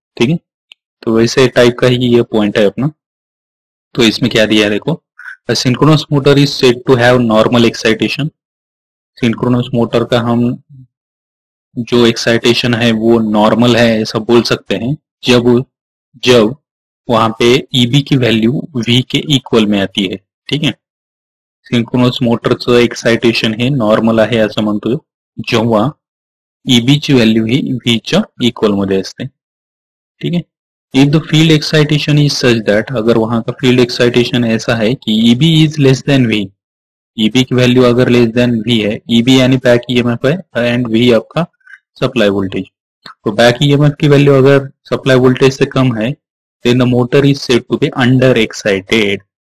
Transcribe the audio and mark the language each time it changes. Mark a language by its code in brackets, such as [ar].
[hi] ठीक है, तो वैसे टाइप का ही ये पॉइंट है अपना. तो इसमें क्या दिया है, देखो, [en] Synchronous motor is said to have normal excitation. [hi] Synchronous motor का हम जो एक्साइटेशन है वो नॉर्मल है, ऐसा बोल सकते हैं, जब जब वहां पे ईबी की वैल्यू वी के इक्वल में आती है. ठीक है, सिंक्रोनस मोटर का एक्साइटेशन है नॉर्मल है, [mr] ऐसा म्हणतो जेव्हा ईबी ची वैल्यू ही वी च्या इक्वल मध्ये असते. [hi] ठीक है, [en] if the field excitation is such that, [hi] अगर वहां का फील्ड एक्साइटेशन ऐसा है कि EB is less than we, EB की वैल्यू अगर लेस देन वी है, ईबी यानी बैक ईएमएफ है एंड वी आपका सप्लाई वोल्टेज, तो बैक ईएमएफ की वैल्यू अगर सप्लाई वोल्टेज से कम है, [en] Then the motor is said to be under excited.